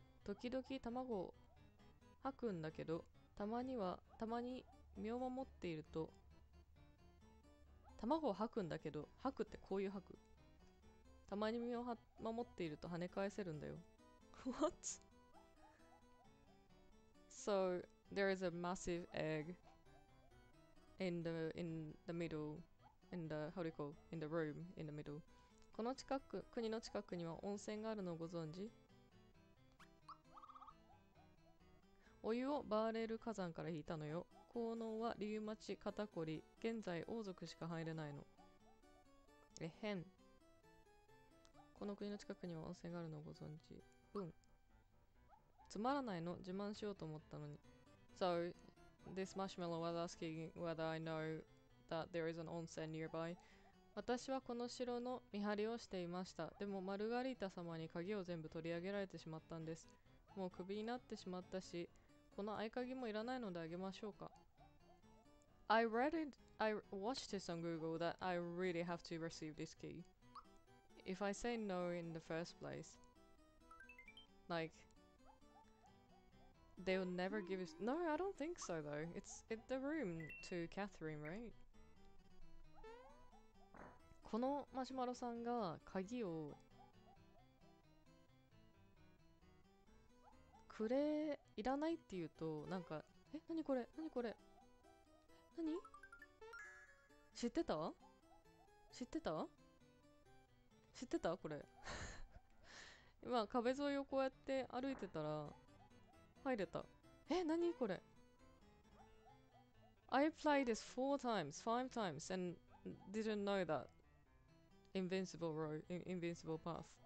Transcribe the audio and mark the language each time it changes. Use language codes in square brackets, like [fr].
[ja] 時々卵を吐くんだけど、たまに身を守っていると、卵を吐くんだけど、吐くってこういう吐く。たまに身を守っていると跳ね返せるんだよ。 [en] What? So, there is a massive egg in the middle, in the, how do you call, in the room, in the middle. [ja] この近く、国の近くには温泉があるのをご存知？お湯をバーレル火山から引いたのよ。効能はリウマチ、肩こり、現在王族しか入れないの。え、変。この国の近くには温泉があるのをご存知。うん。つまらないの、自慢しようと思ったのに。 [en] So, this marshmallow was asking whether I know that there is an onsen nearby. [ja] 私はこの城の見張りをしていました。でも、マルガリータ様に鍵を全部取り上げられてしまったんです。もうクビになってしまったし、この合鍵もいらないのであげましょうか。 [en] I watched this on Google that I really have to receive this key. If I say no in the first place, like, they'll never give us. No, I don't think so though. It's the room to Catherine, right? [ja] このマシュマロさんが鍵をくれ、いらないって言うと、なんか、え、何これ、何これ、何？知ってた？知ってた？知ってた？これ今壁沿いをこうやって歩いてたら入れた。え、何これ。 [en] I played this five times and didn't know that invincible road, invincible path.